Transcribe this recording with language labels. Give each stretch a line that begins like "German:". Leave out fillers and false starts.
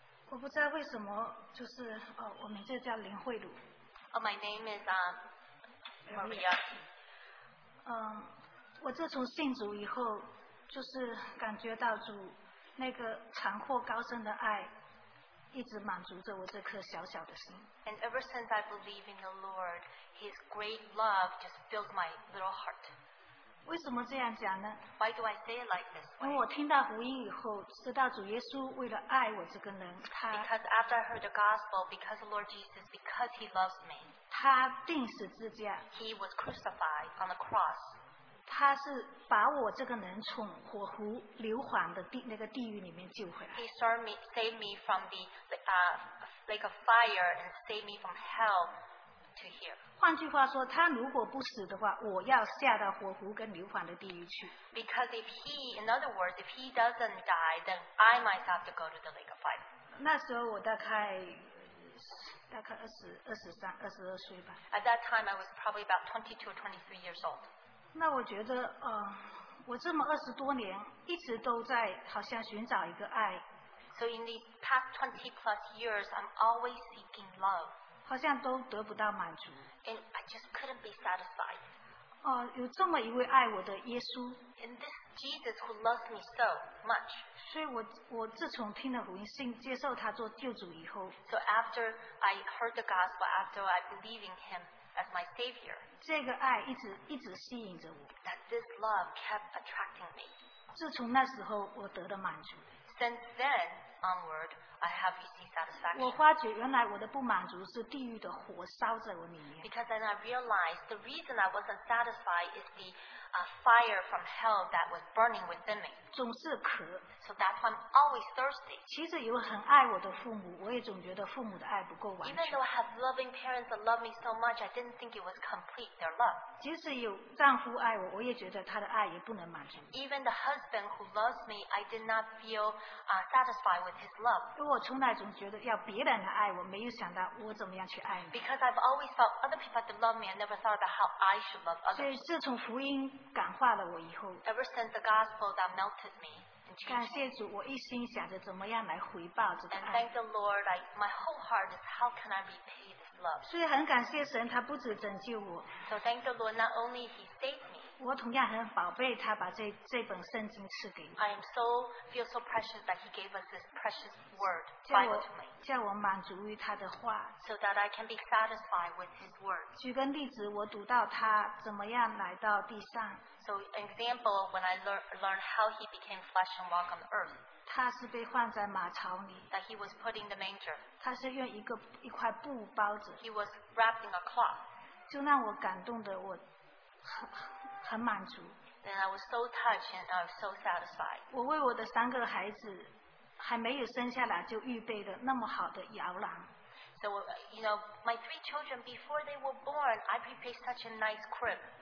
Chinese: 我不知道为什么就是我名字叫林慧茹。
English: Oh, my name is Maria.
Chinese: 我自从信主以后，就是感觉到主那个长阔高深的爱，一直满足着我这颗小小的心。
English: And ever since I believe in the Lord, His great love just fills my little heart.
Chinese: 为什么这样讲呢
English: ？Why do I say it like this？
Chinese: 因为我听到福音以后，知道主耶稣为了爱我这个人，他
English: Because after I heard the gospel, because the Lord Jesus, because He loves me，
Chinese: 他钉十字架
English: ，He was crucified on the cross。
Chinese: 他是把我这个人从火湖硫磺的那个地狱里面救回来。
English: He saved me from the lake of fire and saved me from hell to here。
Chinese: 换句话说，他如果不死的话，我要下到火湖跟硫磺的地狱去。
English: Because if he, in other words, if he doesn't die, then I myself to go to the lake of fire.
Chinese: 那时候我大概二十二岁吧。
English: At that time, I was probably about 22 or 23 years old.
Chinese: 那我觉得，我这么二十多年一直都在好像寻找一个爱。
English: So in the past 20 plus years, I'm always seeking love.
Chinese: 好像都得不到满足。
English: And I just couldn't be satisfied.
Chinese: 有这么一位爱我的耶稣。
English: And this Jesus who loves me so much.
Chinese: 所以我自从听了福音，信接受他做救主以后。
English: So after I heard the gospel, after I believe in him as my savior.
Chinese: 这个爱一直吸引着我。
English: That this love kept attracting me.
Chinese: 自从那时候，我得了满足。
English: Since then onward. I have received satisfaction.
Chinese: 我发觉原来我的不满足是地狱的火烧在我里面。
English: Because then I realized the reason I wasn't satisfied is the fire from hell that was burning within me.
Chinese: 总是渴。
English: So that's why I'm always thirsty.
Chinese: 其实有很爱我的父母，我也总觉得父母的爱不够完全。
English: Even though I have loving parents that love me so much, I didn't think it was complete their love.
Chinese: 即使有丈夫爱我，我也觉得他的爱也不能满足。
English: Even the husband who loves me, I did not feel satisfied with his love.
Chinese: 因为我从来总觉得要别人来爱我，没有想到我怎么样去爱你。
English: Because I've always felt other people to love me, I never thought about how I should love others.
Chinese: 所以自从福音感化了我以后
English: ，Ever since the gospel that melted me,
Chinese: 感谢主，我一心想着怎么样来回报这个爱。
English: And thank the Lord, my whole heart is how can I repay this love?
Chinese: 所以很感谢神，他不止拯救我。
English: So thank the Lord, not only He saved me.
Chinese: 我同样很宝贝他把 这本圣经赐给我。
English: I am so, feel so precious that he gave us this precious word,
Chinese: 叫我满足于他的话。
English: So that I can be satisfied with his word.
Chinese: 举个例子我读到他怎么样来到地上。
English: So an example of when I learned how he became flesh and walked on earth.
Chinese: 他是被放在马槽里。
English: That he was put in the manger.
Chinese: 他是用一块布包着。
English: He was wrapped in a cloth.
Chinese: 就让我感动的我很满足。
English: Then I was so touched and I was so satisfied.
Chinese: 我为我的三个孩子还没有生下来就预备了那么好的摇篮。
English: So you know, my three children before they were born, I prepared such a nice crib.